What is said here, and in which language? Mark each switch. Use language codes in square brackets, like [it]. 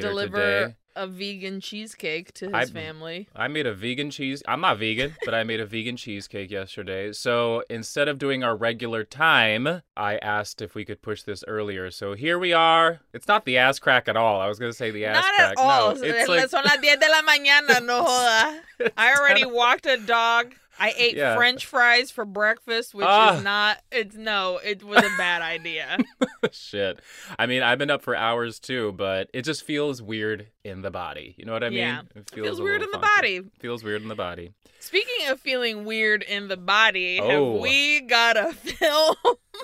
[en] Gotta deliver a vegan cheesecake to his family. I'm not vegan, but I made a vegan cheesecake yesterday. So instead of doing our regular time, I asked if we could push this earlier. So here we are. It's not the ass crack at all. I was going to say the ass not crack. Not at all. No, it's like... [es] Son las 10 de la mañana, no joda. [en] I already walked a dog. I ate French fries for breakfast, which it was a bad idea. Shit. I mean, I've been up for hours too, but it just feels weird in the body. You know what I mean? Yeah. It feels weird in the body. Feels weird in the body. Speaking of feeling weird in the body, have we got a film for you.